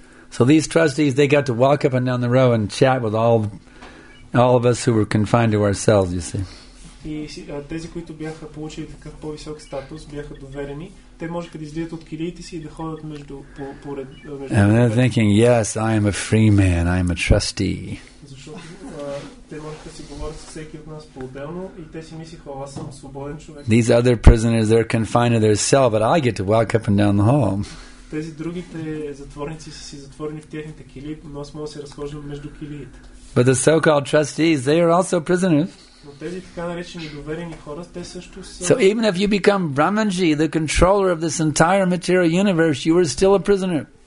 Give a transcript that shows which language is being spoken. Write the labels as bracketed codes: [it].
[en] So these trustees, they got to walk up and down the row and chat with all of us who were confined to our cells, you see. [bg] Тези, които бяха получили такъв по-висок статус, бяха доверени. Те можеха да излизат от килиите си и да ходят между поред. [en] And they're thinking, yes, I am a free man, I am a trustee. [bg] Защото те можеха да си говорят с всеки от нас по-отделно и те си мислиха, аз съм свободен човек. [en] These other prisoners, they're confined to their cell, but I get to walk up and down the hall. [bg] Тези другите затворници са си затворени в техните килии, но аз мога да се разхождам между килиите. [en] But the so-called trustees, they are also prisoners. So even if you become Brahmanji, the controller of this entire material universe, you are still a prisoner.